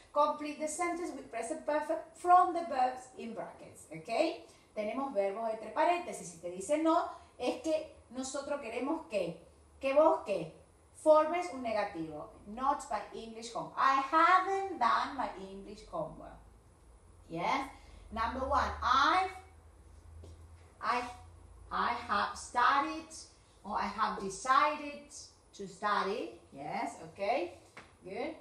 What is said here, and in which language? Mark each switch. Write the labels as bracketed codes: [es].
[en] Complete the sentence with present perfect from the verbs in brackets. [es] ¿Ok? Tenemos verbos entre paréntesis. Si te dice no, es que nosotros queremos que vos qué, formes un negativo. [en] Not my English homework. I haven't done my English homework. Yes? Number one, I have studied, or I have decided to study. Yes, okay, good.